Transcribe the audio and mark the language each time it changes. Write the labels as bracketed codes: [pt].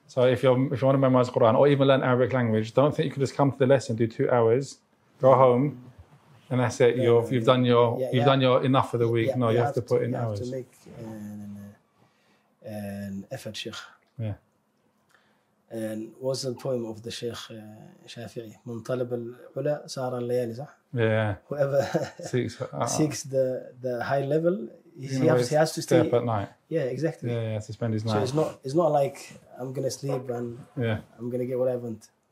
[en] So if you want to memorize Quran or even learn Arabic language, don't think you can just come to the lesson, do 2 hours, go home, and that's it. You've done enough for the week. Yeah, no, you have to put in hours. You have to make an effort, Sheikh. Yeah. And what's the poem of the Sheikh Shafi'i? [ar] من طلب العلا سار الليالي صح? [en] Yeah. Whoever seeks the high level, he has to stay up at night. Yeah, exactly. Yeah, yeah, to spend his night. So it's not like I'm gonna sleep and I'm gonna get what I want.